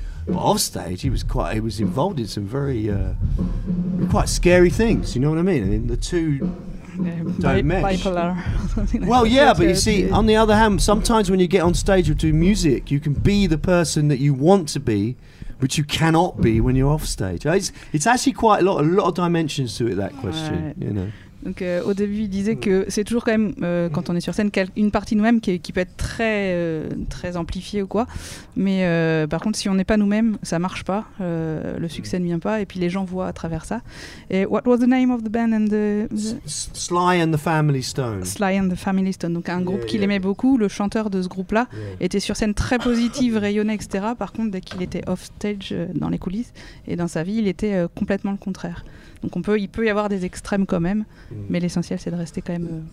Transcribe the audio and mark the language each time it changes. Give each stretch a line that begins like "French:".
English: But off stage, he was involved in some very, quite scary things, you know what I mean? And the two... But you see, on the other hand, sometimes when you get on stage or do music, you can be the person that you want to be, which you cannot be when you're off stage. It's actually quite a lot of dimensions to it, that question, you know.
French: Donc au début, il disait que c'est toujours quand même, quand on est sur scène, une partie de nous-mêmes qui peut être très, très amplifiée ou quoi. Mais par contre, si on n'est pas nous-mêmes, ça ne marche pas. Le succès ne vient pas. Et puis les gens voient à travers ça.
English: Et what was the name of the band and the Sly and the Family Stone.
French: Sly and the Family Stone. Donc un groupe qu'il aimait beaucoup. Le chanteur de ce groupe-là était sur scène très positif, rayonnait, etc. Par contre, dès qu'il était off-stage, dans les coulisses et dans sa vie, il était complètement le contraire. Donc il peut y avoir des extrêmes quand même, mais l'essentiel c'est de rester quand même.